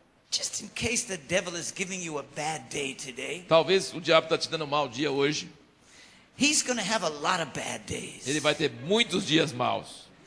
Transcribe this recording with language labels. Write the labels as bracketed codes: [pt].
[en] Just in case the devil is giving you a bad day today. [pt] Talvez o diabo está te dando um mau dia hoje. [en] He's going to have a lot of bad days. [pt] Ele vai ter muitos dias maus.